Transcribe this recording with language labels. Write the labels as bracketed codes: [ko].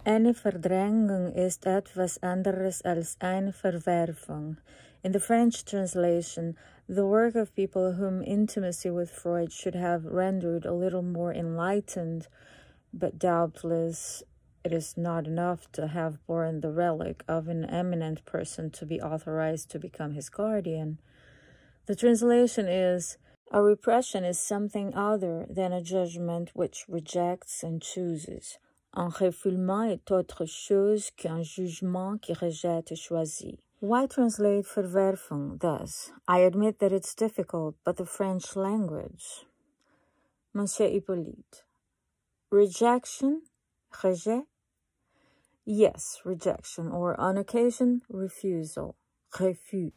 [de] Eine Verdrängung ist etwas anderes als eine Verwerfung. [en] In the French translation, the work of people whom intimacy with Freud should have rendered a little more enlightened, but doubtless it is not enough to have borne the relic of an eminent person to be authorized to become his guardian. The translation is, a repression is something other than a judgment which rejects and chooses. [fr] Un refoulement est autre chose qu'un jugement qui rejette et choisit. [en] Why translate verwerfung thus? I admit that it's difficult, but the French language. Monsieur Hippolyte. Rejection? Rejet? Yes, rejection, or on occasion, refusal. Refus.